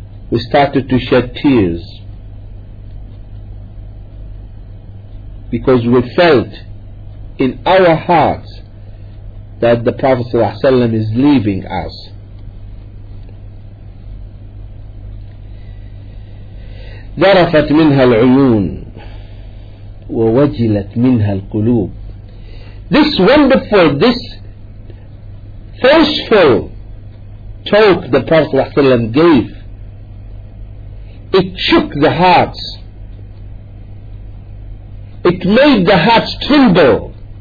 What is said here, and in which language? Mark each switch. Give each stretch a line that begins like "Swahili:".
English: We started to shed tears. Because we felt in our hearts that the Prophet ﷺ is leaving us.
Arabic: ذرفت منها العيون ووجلت منها القلوب.
English: This wonderful, this forceful talk the Prophet ﷺ gave, it shook the hearts. It made the hearts tremble.